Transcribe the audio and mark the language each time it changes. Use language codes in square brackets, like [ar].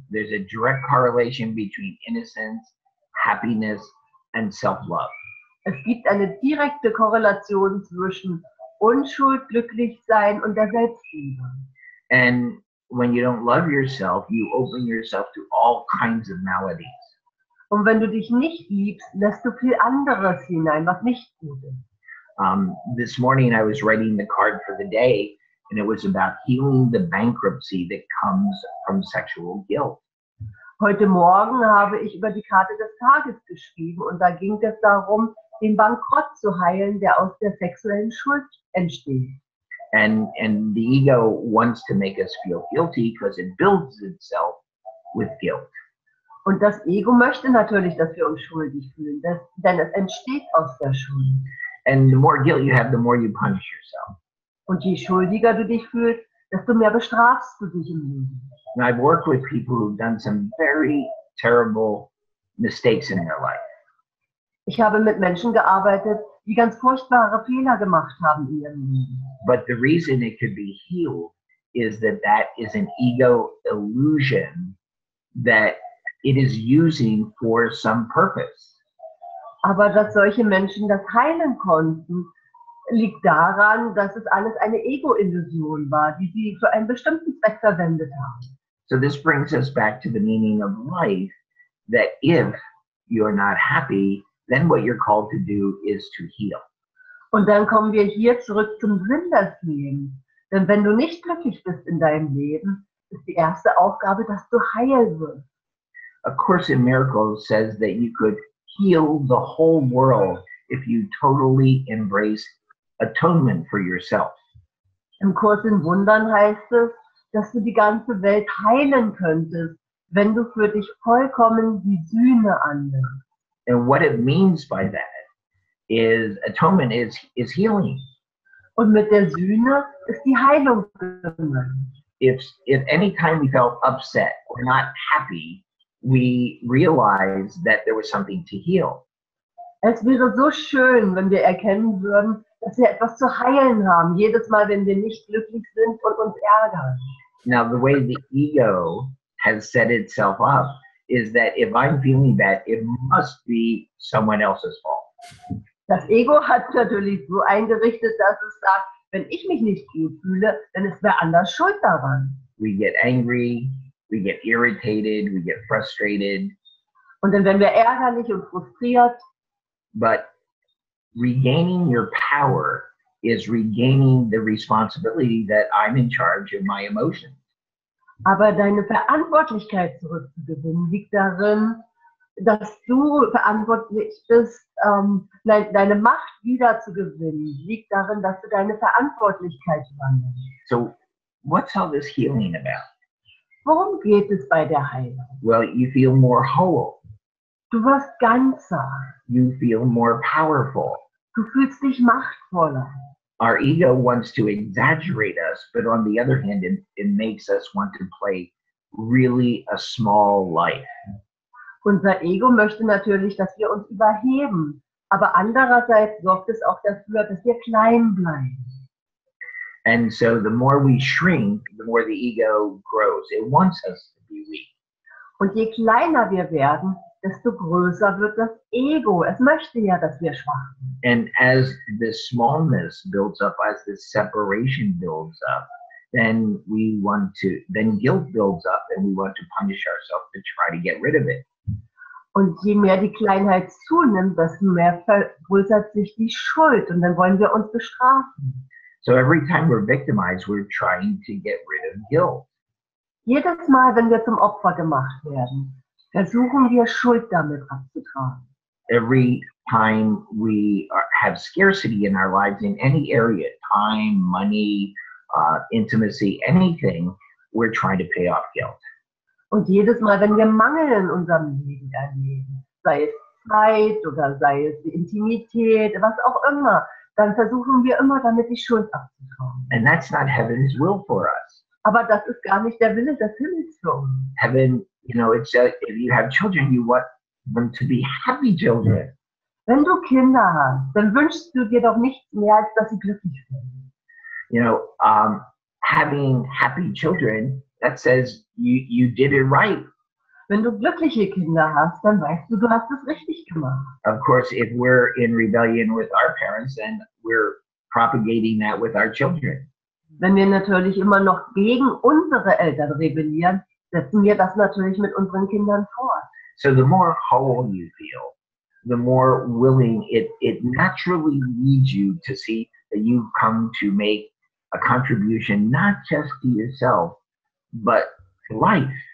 [en] There's a direct correlation between innocence, happiness, and self-love. [de] Es gibt eine direkte Korrelation zwischen Unschuld, Glücklichsein und der Selbstliebe. [en] And when you don't love yourself, you open yourself to all kinds of maladies. [de] Und wenn du dich nicht liebst, lässt du viel anderes hinein, was nicht gut ist. [en] This morning I was writing the card for the day, and it was about healing the bankruptcy that comes from sexual guilt. [de] Heute Morgen habe ich über die Karte des Tages geschrieben, und da ging es darum, den Bankrott zu heilen, der aus der sexuellen Schuld entsteht. [en] And the ego wants to make us feel guilty because it builds itself with guilt. [de] Und das Ego möchte natürlich, dass wir uns schuldig fühlen, denn es entsteht aus der Schuld. [en] And the more guilt you have, the more you punish yourself. [de] Und je schuldiger du dich fühlst, desto mehr bestrafst du dich im Leben. [en] Now, I've worked with people who've done some very terrible mistakes in their life. [de] Ich habe mit Menschen gearbeitet, die ganz furchtbare Fehler gemacht haben in ihrem Leben. [en] But the reason it could be healed is that that is an ego illusion that it is using for some purpose. [de] Aber dass solche Menschen das heilen konnten, liegt daran, dass es alles eine Ego-Illusion war, die sie für einen bestimmten Zweck verwendet haben. [en] So this brings us back to the meaning of life, that if you're not happy, then what you're called to do is to heal. [de] Und dann kommen wir hier zurück zum Sinn des Lebens. Denn wenn du nicht glücklich bist in deinem Leben, ist die erste Aufgabe, dass du heil wirst. [en] A Course in Miracles says that you could heal the whole world if you totally embrace atonement for yourself. [de] Im Kurs in Wundern heißt es, dass du die ganze Welt heilen könntest, wenn du für dich vollkommen die Sühne annimmst. [en] And what it means by that is atonement is healing. [de] Und mit der Sühne ist die Heilung gemeint. [en] If any time we felt upset or not happy, we realize that there was something to heal. [de] Es wäre so schön, wenn wir erkennen würden, dass wir etwas zu heilen haben, jedes Mal, wenn wir nicht glücklich sind und uns ärgern. [en] Now, the way the ego has set itself up is that if I'm feeling bad, it must be someone else's fault. [de] Das Ego hat natürlich so eingerichtet, dass es sagt, wenn ich mich nicht gut fühle, dann ist wer anders schuld daran. [en] We get angry, we get irritated, we get frustrated. [de] Und dann werden wir ärgerlich und frustriert. [en] But regaining your power is regaining the responsibility that I'm in charge of my emotions. [de] Aber deine Verantwortlichkeit zurückzugewinnen liegt darin, dass du verantwortlich bist, deine Macht wiederzugewinnen, liegt darin, dass du deine Verantwortlichkeit wandelst. [en] So, what's all this healing about? [de] Worum geht es bei der Heilung? [en] Well, you feel more whole. [de] Du wirst ganzer. [en] You feel more powerful. [de] Du fühlst dich machtvoller. [en] Our ego wants to exaggerate us, but on the other hand, it makes us want to play really a small life. [de] Unser Ego möchte natürlich, dass wir uns überheben, aber andererseits sorgt es auch dafür, dass wir klein bleiben. [en] And so the more we shrink, the more the ego grows. It wants us to be weak. [de] Und je kleiner wir werden, desto größer wird das Ego. Es möchte ja, dass wir schwach sind. [en] And as this smallness builds up, as this separation builds up, then guilt builds up, and we want to punish ourselves to try to get rid of it. [de] Und je mehr die Kleinheit zunimmt, desto mehr vergrößert sich die Schuld, und dann wollen wir uns bestrafen. [en] So every time we're victimized, we're trying to get rid of guilt. [de] Jedes Mal, wenn wir zum Opfer gemacht werden, versuchen wir, Schuld damit abzutragen. [en] Every time we have scarcity in our lives in any area, time, money, intimacy, anything, we're trying to pay off guilt. [de] Und jedes Mal, wenn wir Mangel in unserem Leben erleben, sei es Zeit oder sei es die Intimität, was auch immer, dann versuchen wir immer, damit die Schuld abzutragen. [en] And that's not heaven's will for us. [de] Aber das ist gar nicht der Wille des Himmels für uns. [en] Heaven, you know, it's just, if you have children, you want them to be happy children. [de] Wenn du Kinder hast, dann wünschst du dir doch nichts mehr, als dass sie glücklich sind. [en] You know, having happy children, that says you did it right. [de] Wenn du glückliche Kinder hast, dann weißt du hast es richtig gemacht. [en] Of course, if we're in rebellion with our parents, then we're propagating that with our children. [de] Wenn wir natürlich immer noch gegen unsere Eltern rebellieren, setzen wir das natürlich mit unseren Kindern fort. [en] So the more whole you feel, the more willing it naturally leads you to see that you've come to make a contribution not just to yourself, but to life.